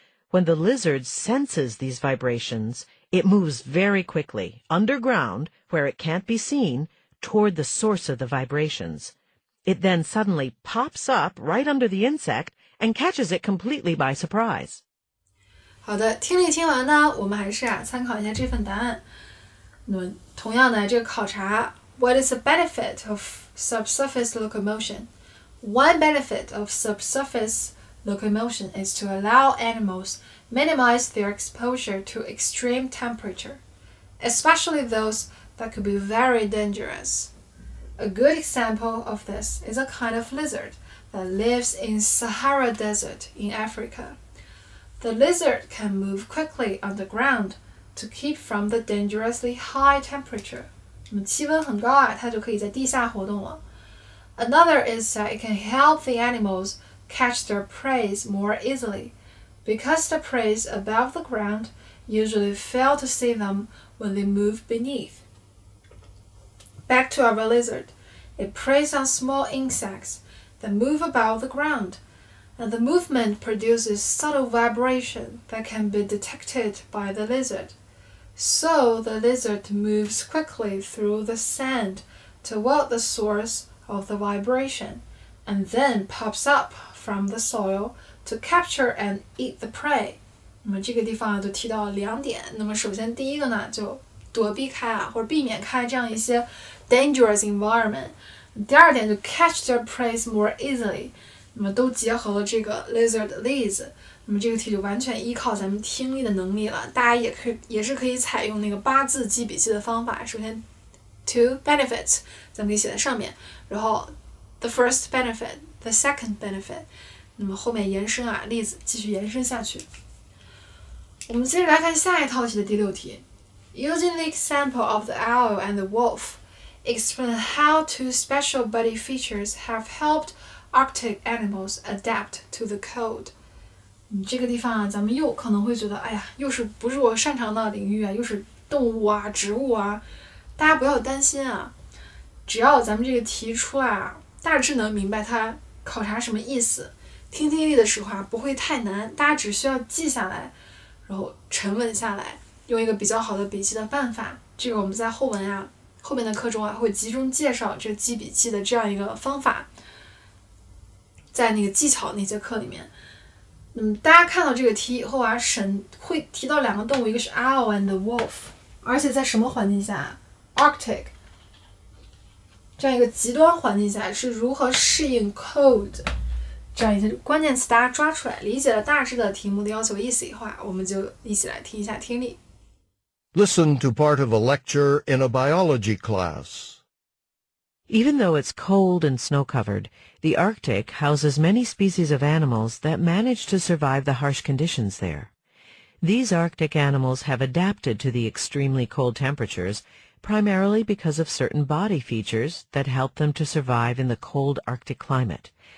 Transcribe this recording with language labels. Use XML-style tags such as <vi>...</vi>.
<en>When the lizard senses these vibrations, it moves very quickly, underground, where it can't be seen, toward the source of the vibrations. It then suddenly pops up right under the insect and catches it completely by surprise.</en> <zh>好的，听力听完呢，我们还是啊参考一下这份答案。那同样呢，这个考察</zh> <en>What is the benefit of subsurface locomotion? One benefit of subsurface locomotion is to allow animals minimize their exposure to extreme temperature, especially those that could be very dangerous. A good example of this is a kind of lizard that lives in Sahara Desert in Africa. The lizard can move quickly underground to keep from the dangerously high temperature.</en> <zh>气温很高啊，它就可以在地下活动了。</zh> <en>Another is that it can help the animalscatch their prey more easily, because the prey above the ground usually fail to see them when they move beneath. Back to our lizard, it preys on small insects that move above the ground, and the movement produces subtle vibration that can be detected by the lizard. So the lizard moves quickly through the sand toward the source of the vibration, and then pops up from the soil to capture and eat the prey.</en> <zh>那么这个地方就提到两点。那么首先第一个呢，就躲避开啊，或者避免开这样一些</zh> <en>dangerous environment。</en> <zh>第二点就</zh> <en>catch their prey more easily。</en> <zh>那么都结合了这个</zh> <en>lizard leads。</en> <zh>那么这个题就完全依靠咱们听力的能力了。大家也是可以采用那个八字记笔记的方法。首先</zh> <en>two benefits</en> <zh>咱们可以写在上面，然后</zh> <en>the first benefit, the second benefit。</en> <zh>那么后面延伸啊，例子继续延伸下去。我们接着来看下一套题的第六题。</zh> <en>Using the example of the owl and the wolf, explain how two special body features have helped Arctic animals adapt to the cold.</en> <zh>这个地方啊，咱们又可能会觉得，哎呀，又是不是我擅长的领域啊，又是动物啊，植物啊。大家不要担心啊，只要咱们这个题出啊，大致能明白它考察什么意思，听听力的时候啊，不会太难，大家只需要记下来。然后沉稳下来，用一个比较好的笔记的办法，这个我们在后文啊，后面的课中啊，会集中介绍这记笔记的这样一个方法，在那个技巧那节课里面。大家看到这个题以后啊，神会提到两个动物，一个是</zh> <en>owl and the wolf，</en> <zh>而且在什么环境下 ？Arctic 这样一个极端环境下是如何适应 cold。这样一些关键词大家抓出来，理解了大致的题目的要求意思以后啊，我们就一起来听一下听力。</zh> <en>Listen to part of a lecture in a biology class. Even though it's cold and snow-covered, the Arctic houses many species of animals that manage to survive the harsh conditions there. These Arctic animals have adapted to the extremely cold temperatures, primarily because of certain body features that help them to survive in the cold Arctic climate.</en>